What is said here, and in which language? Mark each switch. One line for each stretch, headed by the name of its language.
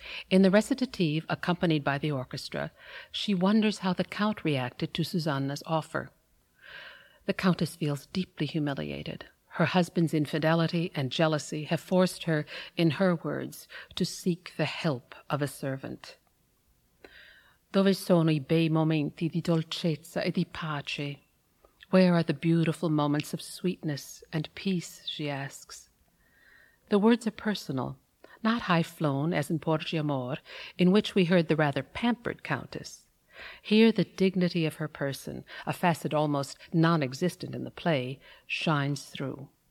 English: In the recitative, accompanied by the orchestra, she wonders how the Count reacted to Susanna's offer. The Countess feels deeply humiliated. Her husband's infidelity and jealousy have forced her, in her words, to seek the help of a servant.
Italian: Dove sono I bei momenti di dolcezza e di pace?
English: Where are the beautiful moments of sweetness and peace, she asks. The words are personal, not high-flown as in Porgi Amor, in which we heard the rather pampered countess. Here the dignity of her person, a facet almost non-existent in the play, shines through.